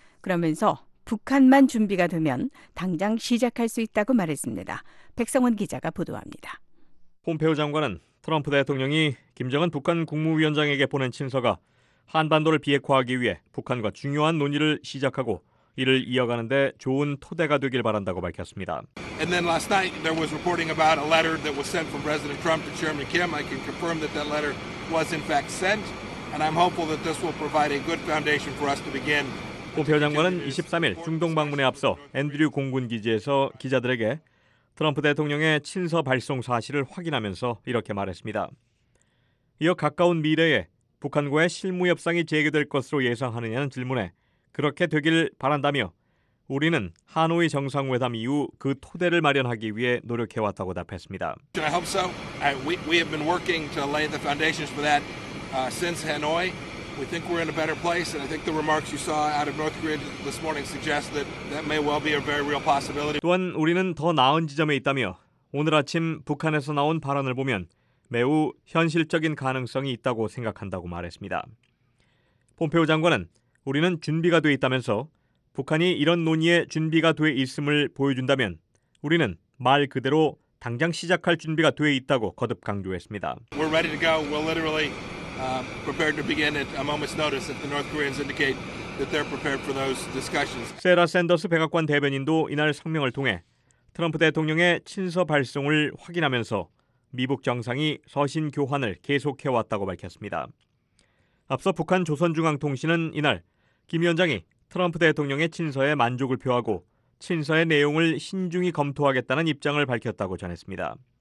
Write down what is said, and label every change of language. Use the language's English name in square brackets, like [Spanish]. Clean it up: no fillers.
[Korean] 그러면서 북한만 준비가 되면 당장 시작할 수 있다고 말했습니다. 백성원 기자가 보도합니다. 폼페오 장관은 트럼프 대통령이 김정은 북한 국무위원장에게 보낸 친서가 한반도를 비핵화하기 위해 북한과 중요한 논의를 시작하고 이를 이어가는 데 좋은 토대가 되길 바란다고 밝혔습니다. [English] And then last night there was reporting about a letter that was sent from President Trump to Chairman Kim. I can confirm that that letter was in fact sent and I'm hopeful that this will provide a good foundation for us to begin. [Korean] 폼페오 장관은 23일 중동 방문에 앞서 앤드류 공군 기지에서 기자들에게 트럼프 대통령의 친서 발송 사실을 확인하면서 이렇게 말했습니다. 이어 가까운 미래에 북한과의 실무 협상이 재개될 것으로 예상하느냐는 질문에 그렇게 되길 바란다며 우리는 하노이 정상회담 이후 그 토대를 마련하기 위해 노력해왔다고 답했습니다. [English] I hope so. We have been working to lay the foundations for that since Hanoi. We think we're in a better place and I think the remarks you saw out of North Korea this morning suggest that that may well be a very real possibility. [Korean] 또한 우리는 더 나은 지점에 있다며 오늘 아침 북한에서 나온 발언을 보면 매우 현실적인 가능성이 있다고 생각한다고 말했습니다. 폼페오 장관은 우리는 준비가 돼 있다면서 북한이 이런 논의에 준비가 돼 있음을 보여준다면 우리는 말 그대로 당장 시작할 준비가 돼 있다고 거듭 강조했습니다. [English] We're ready to go. We're literally prepared to begin at a moment's notice if the North Koreans indicate that they're prepared for those discussions. [Korean] 세라 샌더스 백악관 대변인도 이날 성명을 통해 트럼프 대통령의 친서 발송을 확인하면서 미북 정상이 서신 교환을 계속해 왔다고 밝혔습니다. 앞서 북한 조선중앙통신은 이날 김 위원장이 트럼프 대통령의 친서에 만족을 표하고 친서의 내용을 신중히 검토하겠다는 입장을 밝혔다고 전했습니다.